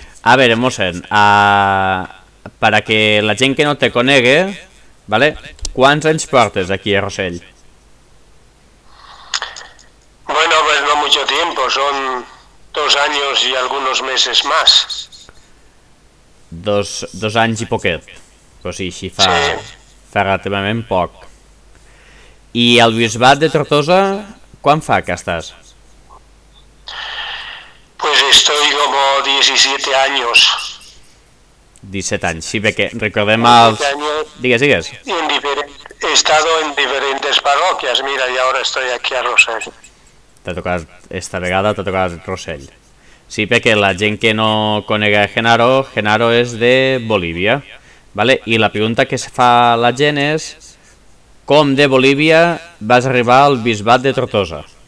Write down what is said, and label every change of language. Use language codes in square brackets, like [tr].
[ca] A veure, mossèn, per a que la gent que no te conegue, vale, quants anys portes aquí a Rossell? [es] Bueno, pues no mucho tiempo, son 2 años y algunos meses más. [ca] Dos anys i poquet. Però sí, així fa, sí, fa relativament poc. I el bisbat de Tortosa, quan fa que estàs? [es] Pues estoy como 17 años. [ca] 17 anys, sí, perquè recordem els... Digues, digues. [es] He estado en diferentes parroquias, mira, y ahora estoy aquí a Rossell. [ca] T'ha tocat, esta vegada t'ha tocat Rossell. Sí, perquè la gent que no conega Genaro, Genaro és de Bolívia, vale? I la pregunta que es fa la gent és com de Bolívia vas arribar al bisbat de Tortosa?